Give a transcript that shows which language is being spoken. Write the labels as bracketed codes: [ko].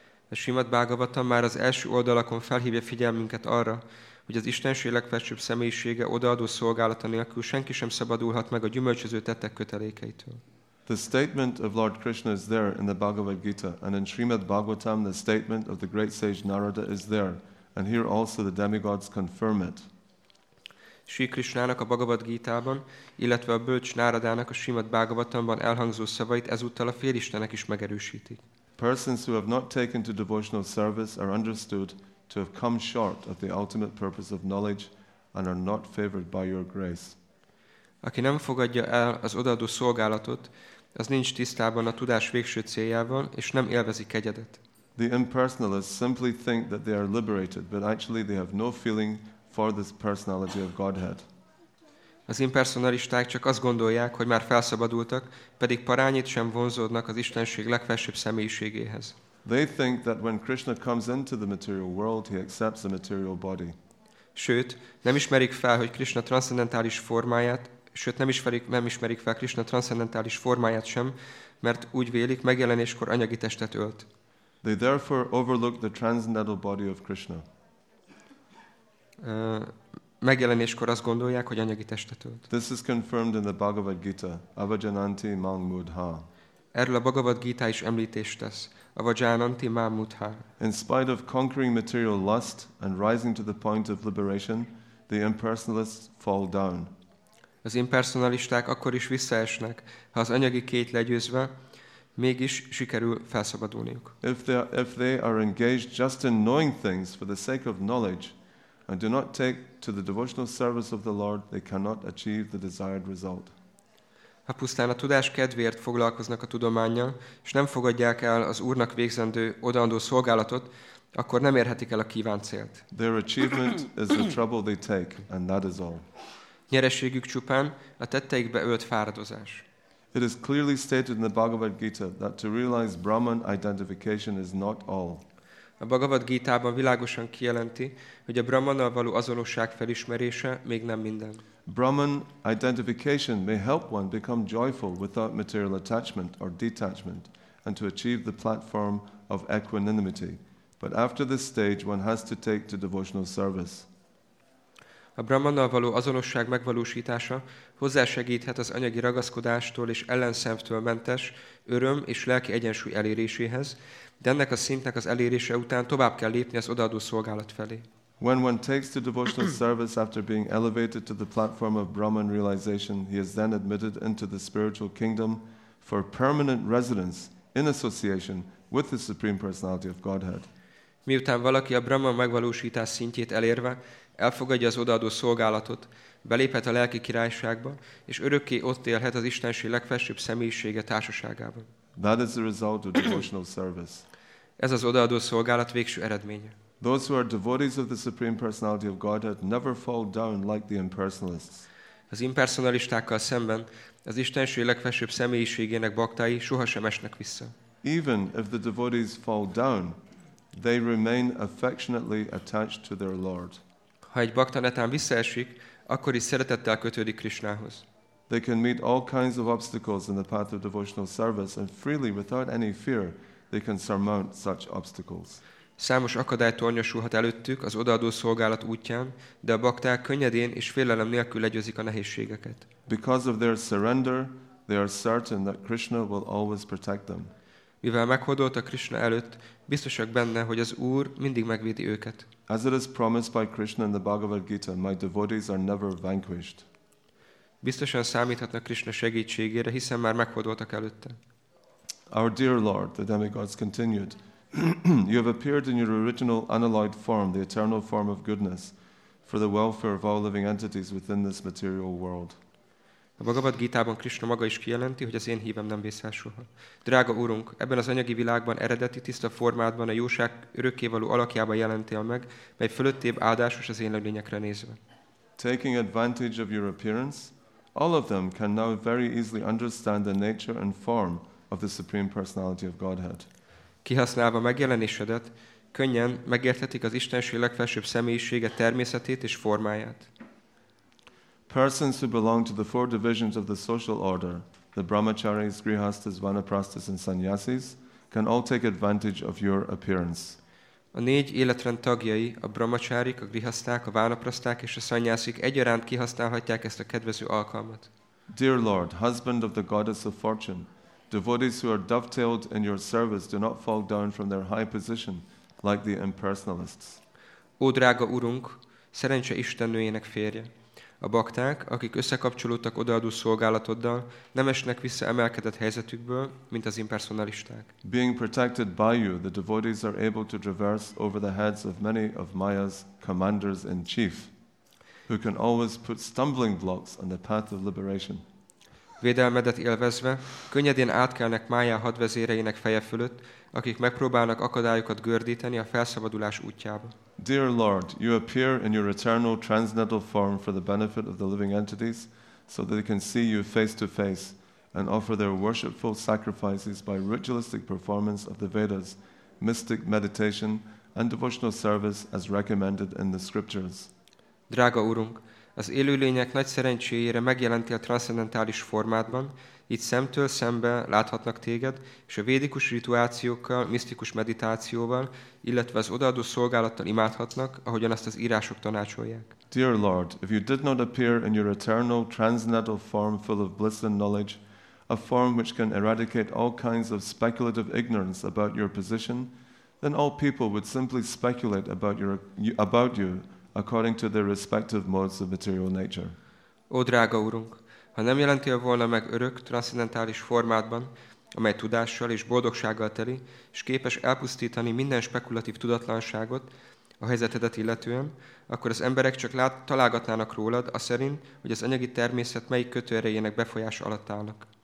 [hu] A Srimad Bhagavatam már az első oldalakon felhívja figyelmünket arra, hogy az Istenség legfelsőbb személyisége odaadó szolgálata nélkül senki sem szabadulhat meg a gyümölcsöző tettek kötelékeitől. [en] The statement of Lord Krishna is there in the Bhagavad Gita, and in Srimad Bhagavatam the statement of the great sage Narada is there, and here also the demigods confirm it. [hu] Sri Krishnának a Bhagavad Gita-ban, illetve a bölcs Náradának a Srimad Bhagavatamban elhangzó szavait ezúttal a félistenek is megerősítik. [en] Persons who have not taken to devotional service are understood to have come short of the ultimate purpose of knowledge and are not favored by your grace. [hu] Aki nem fogadja el az odaadó szolgálatot, az nincs tisztában a tudás végső céljával, és nem élvezi kegyedet. [en] The impersonalists simply think that they are liberated, but actually they have no feeling for this personality of Godhead. [hu] Az impersonalisták csak azt gondolják, hogy már felszabadultak, pedig parányit sem vonzódnak az Istenség legfelsőbb személyiségéhez. [en] They think that when Krishna comes into the material world, he accepts a material body. [hu] Sőt, nem ismerik fel, hogy Krishna transzcendentális formáját, nem ismerik fel Krishna transzcendentális formáját sem, mert úgy vélik, megjelenéskor anyagi testet ölt. [en] They therefore overlook the transcendental body of Krishna. [hu] Megjelenéskor azt gondolják, hogy anyagi testet ölt. [en] This is confirmed in the Bhagavad Gita, [sa] Avajananti Mangmudha. [hu] Erről a Bhagavad Gita is említést tesz, [sa] Avajananti Mangmudha. [en] In spite of conquering material lust and rising to the point of liberation, the impersonalists fall down. [hu] Az impersonalisták akkor is visszaesnek, ha az anyagi kényt legyőzve, mégis sikerül felszabadulniuk. [en] If they are engaged just in knowing things for the sake of knowledge and do not take to the devotional service of the Lord, they cannot achieve the desired result. [hu] Ha pusztán a tudás kedvéért foglalkoznak a tudománnyal, és nem fogadják el az Úrnak végzendő, odaadó szolgálatot, akkor nem érhetik el a kívánt célt. [en] Their achievement is the trouble they take, and that is all. [hu] Nyereségük csupán a tetteikbe ölt fáradozás. [en] It is clearly stated in the Bhagavad Gita that to realize Brahman identification is not all. [hu] A Bhagavad Gita-ban világosan kijelenti, hogy a Brahmannal való azonosság felismerése még nem minden. [en] Brahman identification may help one become joyful without material attachment or detachment and to achieve the platform of equanimity. But after this stage, one has to take to devotional service. [hu] A Brahmannal való azonosság megvalósítása hozzásegíthet az anyagi ragaszkodástól és ellenszenvtől mentes öröm és lelki egyensúly eléréséhez, de ennek a szintnek az elérése után tovább kell lépni az odaadó szolgálat felé. [en] When one takes to devotional service after being elevated to the platform of Brahman realization, he is then admitted into the spiritual kingdom for permanent residence in association with the Supreme Personality of Godhead. [hu] Miután valaki a Brahman megvalósítás szintjét elérve, elfogadja az odaadó szolgálatot, beléphet a lelki királyságba, és örökké ott élhet az Istenség legfelsőbb személyisége társaságában. [en] That is the result of devotional service. [hu] Ez az odaadó szolgálat végső eredménye. [en] Those who are devotees of the Supreme Personality of Godhead never fall down like the impersonalists. [hu] Az impersonalistákkal szemben az Istenség legfelsőbb személyiségének baktái sohasem esnek vissza. [en] Even if the devotees fall down, they remain affectionately attached to their Lord. [hu] Ha egy bhakta netán visszaesik, akkor is szeretettel kötődik Krishnához. [en] They can meet all kinds of obstacles in the path of devotional service, and freely, without any fear, they can surmount such obstacles. [hu] Számos akadály tornyosulhat előttük az odaadó szolgálat útján, de a bhakták könnyedén és félelem nélkül legyőzik a nehézségeket. [en] Because of their surrender, they are certain that Krishna will always protect them. [hu] Mivel meghódoltak Krishna előtt, biztosak benne, hogy az Úr mindig megvédi őket. [en] As it is promised by Krishna in the Bhagavad Gita, my devotees are never vanquished. [hu] Biztosan számíthatnak Krishna segítségére, hiszen már meghódoltak előtte. [en] Our dear Lord, the demigods continued, you have appeared in your original unalloyed form, the eternal form of goodness, for the welfare of all living entities within this material world. [hu] A Bhagavad Gita-ban Krishna maga is kijelenti, hogy az én hívem nem vészel soha. Drága Úrunk, ebben az anyagi világban eredeti tiszta formátban a jóság örökkévaló alakjában jelentél meg, mely fölöttébb áldásos az én lényekre nézve. [en] Taking advantage of your appearance, all of them can now very easily understand the nature and form of the Supreme Personality of Godhead. [hu] Kihasználva megjelenésedet, könnyen megérthetik az Istenség legfelsőbb személyisége természetét és formáját. [en] Persons who belong to the four divisions of the social order, the brahmacharis, grihasthas, vanaprasthas and sannyasis, can all take advantage of your appearance. [hu] A négy életrend tagjai, a brahmacharik, a grihaszták, a vanaprasták és a sannyasik egyaránt kihasználhatják ezt a kedvező alkalmat. [en] Dear Lord, husband of the goddess of fortune, devotees who are dovetailed in your service do not fall down from their high position like the impersonalists. [hu] Ó, drága Urunk, szerencse Istennőjének férje! A bakták, akik összekapcsolódtak odaadó szolgálatoddal, nem esnek vissza emelkedett helyzetükből, mint az impersonalisták. [en] Being protected by you, the devotees are able to traverse over the heads of many of Maya's commanders in chief, who can always put stumbling blocks on the path of liberation. [hu] Védelmedet élvezve, könnyedén átkelnek Maya hadvezéreinek feje fölött, akik megpróbálnak akadályokat gördíteni a felszabadulás útjába. [en] Dear Lord, you appear in your eternal transcendental form for the benefit of the living entities, so that they can see you face to face and offer their worshipful sacrifices by ritualistic performance of the Vedas, mystic meditation and devotional service as recommended in the scriptures. [hu] Drága Urunk, az élőlények nagy szerencséjére megjelentél transzcendentális formádban, így szemtől szembe láthatnak téged, és a védikus rituációkkal, misztikus meditációval, illetve az odaadó szolgálattal imádhatnak, ahogyan azt az írások tanácsolják. [en] Dear Lord, if you did not appear in your eternal transcendental form full of bliss and knowledge, a form which can eradicate all kinds of speculative ignorance about your position, then all people would simply speculate about you according to their respective modes of material nature. [hu] Ó, drága Urunk! Ha nem jelentél volna meg örök, transzcendentális formádban, amely tudással és boldogsággal teli, és képes elpusztítani minden spekulatív tudatlanságot a helyzetedet illetően, akkor az emberek csak találgatnának rólad, aszerint, hogy az anyagi természet melyik kötőerejének befolyás alatt állnak.